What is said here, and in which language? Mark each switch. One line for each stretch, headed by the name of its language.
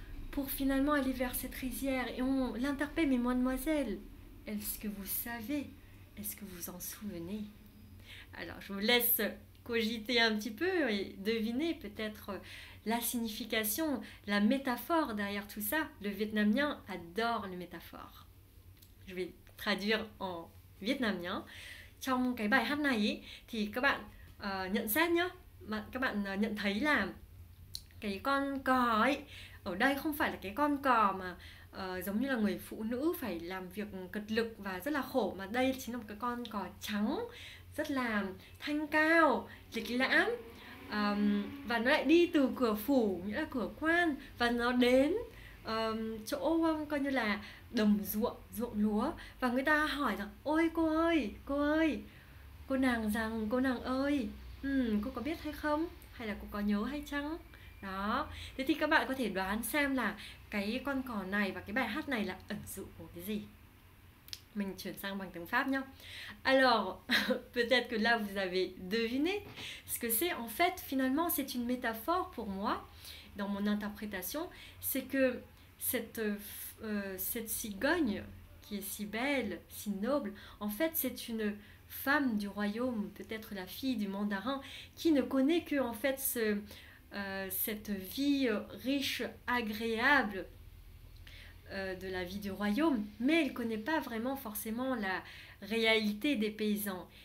French: Pour finalement aller vers cette rizière et on l'interpelle, mais mademoiselle, est-ce que vous savez, est-ce que vous en souvenez? Alors, je vous laisse cogiter un petit peu et deviner peut-être la signification, la métaphore derrière tout ça. Le vietnamien adore les métaphores. Je vais traduire en vietnamien.
Vietnamese: Trong cái bài hát này thì các bạn nhận xét nhá, mà các bạn nhận thấy là cái con cò ấy ở đây không phải là cái con cò mà giống như là người phụ nữ phải làm việc cật lực và rất là khổ, mà đây chính là một cái con cò trắng rất là thanh cao, lịch lãm, và nó lại đi từ cửa phủ, nghĩa là cửa quan, và nó đến chỗ coi như là đồng ruộng, ruộng lúa, và người ta hỏi rằng ôi cô ơi, cô ơi, cô nàng rằng cô nàng ơi, cô có biết hay không, hay là cô có nhớ hay chăng đó. Thế thì các bạn có thể đoán xem là cái con cò này và cái bài hát này là ẩn dụ của cái gì. Mình chuyển sang bằng tiếng Pháp nhá.
French: Alors, peut-être que là vous avez deviné ce que c'est. En fait, finalement, c'est une métaphore pour moi, dans mon interprétation, c'est que cette cigogne qui est si belle, si noble, en fait, c'est une femme du royaume, peut-être la fille du mandarin, qui ne connaît que en fait cette vie riche, agréable de la vie du royaume, mais elle ne connaît pas vraiment forcément la réalité des paysans.